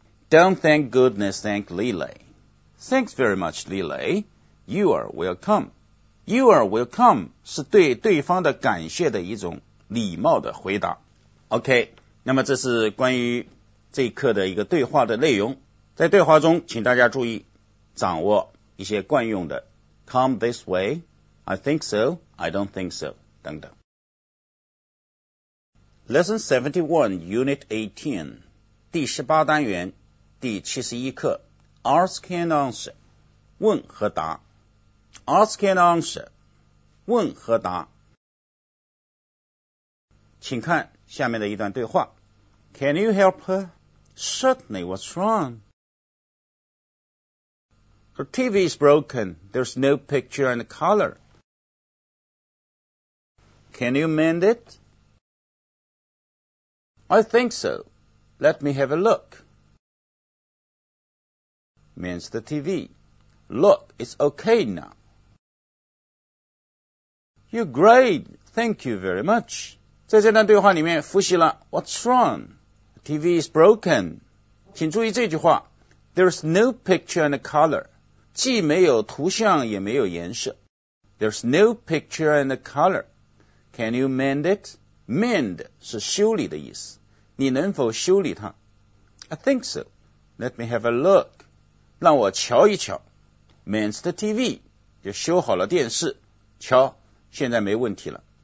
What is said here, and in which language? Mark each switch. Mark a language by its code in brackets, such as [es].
[en] Don't thank goodness, thank Lily. Thanks very much, Lily. You are welcome. You are welcome [zh] 是对对方的感谢的一种礼貌的回答。 OK, 那么这是关于这一课的一个对话的内容。在对话中，请大家注意掌握一些惯用的 [en] come this way, I think so, I don't think so, [zh] 等等。 [en] Lesson 71, Unit 18, [zh] 第十八单元第七十一课 [en] Ask and answer, [zh] 问和答 Ask and answer, 问和答。请看下面的一段对话。 [en] Can you help her? Certainly, what's wrong? Her TV is broken, there's no picture and color. Can you mend it? I think so. Let me have a look. Means the TV. Look, it's okay now. You're great. Thank you very much. [zh] 在这段对话里面复习了 [en] What's wrong? TV is broken. [zh] 请注意这句话 [en] There's no picture and color. [zh] 既没有图像也没有颜色。 [en] There's no picture and color. Can you mend it? [zh] Mend 是修理的意思。你能否修理它? [en] I think so. Let me have a look. [zh] 让我瞧一瞧。 [en] Mends the TV. [zh] 就修好了电视。瞧,现在没问题了。